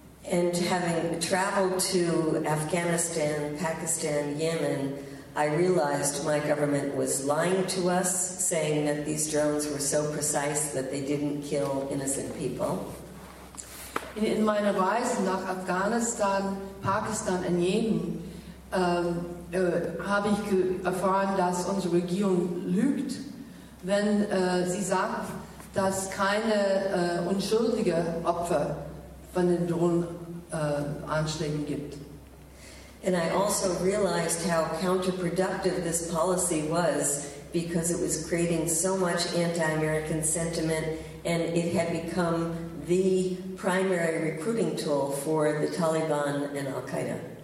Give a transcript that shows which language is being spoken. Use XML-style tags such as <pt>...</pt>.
<en>And having traveled to Afghanistan, Pakistan, Yemen, I realized my government was lying to us, saying that these drones were so precise that they didn't kill innocent people.</en> <de>In meiner Reise nach Afghanistan, Pakistan und Yemen habe ich erfahren, dass unsere Regierung lügt, wenn sie sagt, dass keine unschuldige Opfer von den Drohnenanschlägen gibt.</de> <en>And I also realized how counterproductive this policy was because it was creating so much anti-American sentiment and it had become the primary recruiting tool for the Taliban and Al-Qaida.</en>